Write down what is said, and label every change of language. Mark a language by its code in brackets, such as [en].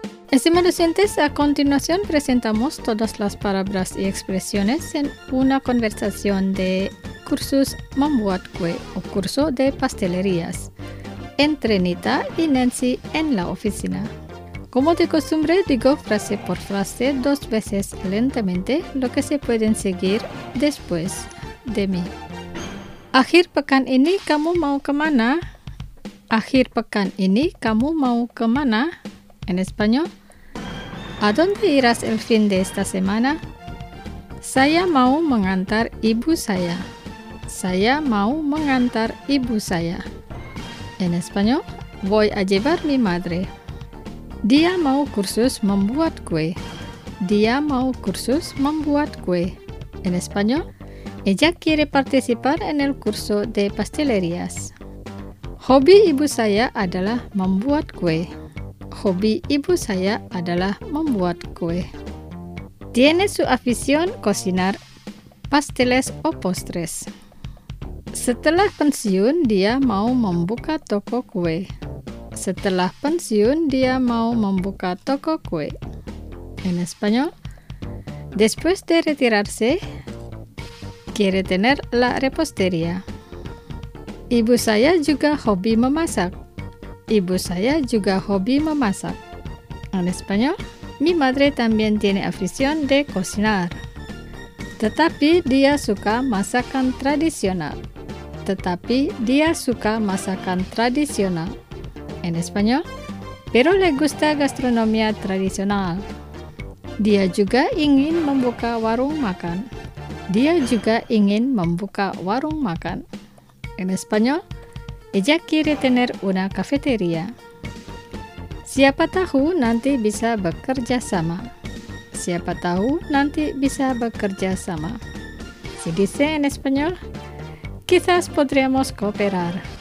[es] Estimados oyentes, a continuación presentamos todas las palabras y expresiones en una conversación de Cursos [id] Membuat Kue, [es] o curso de pastelerías, entre Nita y Nancy en la oficina. Como de costumbre, digo frase por frase dos veces lentamente lo que se pueden seguir después de mí. [id] Akhir pekan ini kamu mau kemana? Akhir pekan ini kamu mau kemana? [es] En español, ¿a dónde irás el fin de esta semana? [id] Saya mau mengantar ibu saya. Saya mau mengantar ibu saya. [es] En español, voy a llevar mi madre. [id] Dia mau kursus membuat kue. Dia mau kursus membuat kue. [es] En español, ella quiere participar en el curso de pastelerías. [id] Hobi ibu saya adalah membuat kue. Hobi ibu saya adalah membuat kue. [es] Tiene su afición cocinar pasteles o postres. [id] Setelah pensiun, dia mau membuka toko kue. Setelah pensiun, dia mau membuka toko kue. [es] En español, después de retirarse, quiere tener la repostería. [id] Ibu saya juga hobi memasak. Ibu saya juga hobi memasak. [es] En español, mi madre también tiene afición de cocinar. [id] Tetapi dia suka masakan tradisional. Tetapi dia suka masakan tradisional. [es] En español, pero le gusta gastronomía tradicional. [id] Dia juga ingin membuka warung makan. Dia juga ingin membuka warung makan. [es] En español, ella quiere tener una cafetería. [id] Siapa tahu nanti bisa bekerja sama. Siapa tahu nanti bisa bekerja sama. [es] Se dice en español, quizás podríamos cooperar.